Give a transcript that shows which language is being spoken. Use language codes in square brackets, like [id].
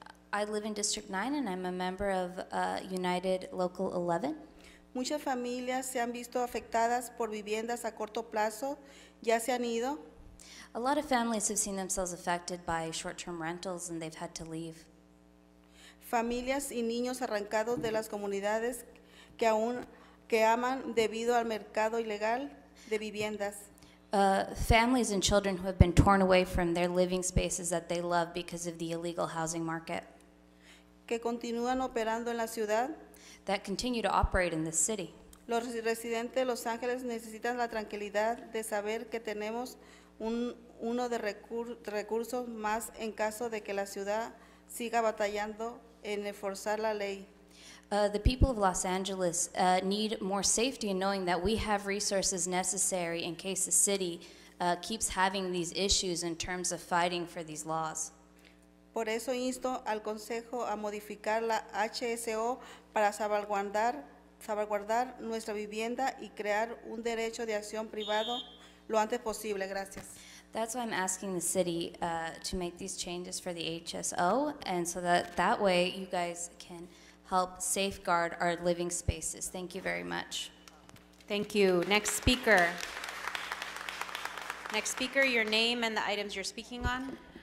[en] I live in District 9 and I'm a member of United Local 11. [es] Muchas familias se han visto afectadas por viviendas a corto plazo, ya se han ido. [en] A lot of families have seen themselves affected by short-term rentals and they've had to leave. [es] Familias y niños arrancados de las comunidades que aún que aman debido al mercado ilegal de viviendas. [en] Families and children who have been torn away from their living spaces that they love because of the illegal housing market. [es] Que continúan operando en la ciudad. [en] That continue to operate in the city. [es] Los residentes de Los Ángeles necesitan la tranquilidad de saber que tenemos uno de recursos más en caso de que la ciudad siga batallando en enforzar la ley. [en] The people of Los Angeles need more safety in knowing that we have resources necessary in case the city keeps having these issues in terms of fighting for these laws. [es] Por eso insto al Consejo a modificar la HSO para salvaguardar nuestra vivienda y crear un derecho de acción privado lo antes posible. Gracias. [en] That's why I'm asking the city to make these changes for the HSO, and so that way you guys can help safeguard our living spaces. Thank you very much. Thank you. Next speaker. Next speaker, your name and the items you're speaking on.